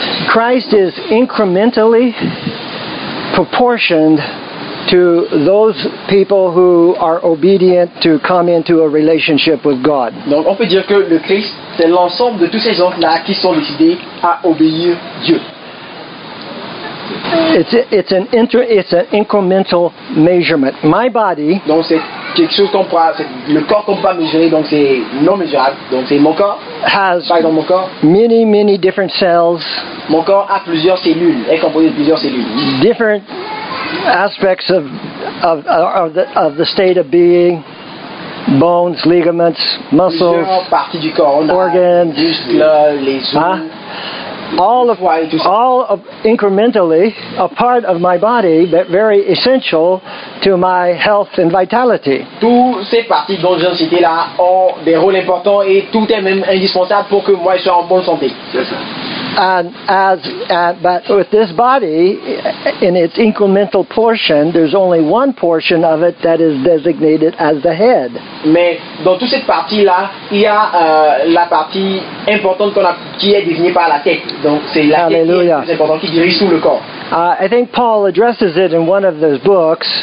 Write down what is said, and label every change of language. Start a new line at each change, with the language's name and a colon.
English: Christ is incrementally proportioned to those people who are obedient to come into a relationship with God.
French: Donc on peut dire que le Christ, c'est l'ensemble de tous ces gens-là qui sont décidés à obéir Dieu.
English: It's an incremental measurement. My body,
French: donc c'est quelque chose qu'on pourra, c'est le corps qu'on peut mesurer, donc c'est non mesurable, donc c'est mon corps.
English: Has
French: pas dans mon corps.
English: Many, many different cells.
French: Mon corps a plusieurs cellules, est composé de plusieurs cellules.
English: Different aspects of the state of being. Bones, ligaments, muscles,
French: parties du corps,
English: organs,
French: muscles, les os, huh?
English: All of incrementally a part of my body, but very essential to my health and vitality.
French: Toutes ces parties dont j'ai cité là ont des rôles importants et tout est même indispensable pour que moi je sois en bonne santé.
English: And as but with this body in its incremental portion, there's only one portion of it that is designated as the head.
French: Mais dans toute cette partie là, il y a la partie importante qu'on a, qui est désignée par la tête. Donc c'est la tête qui est plus importante, qui dirige tout le corps.
English: I think Paul addresses it in one of those books.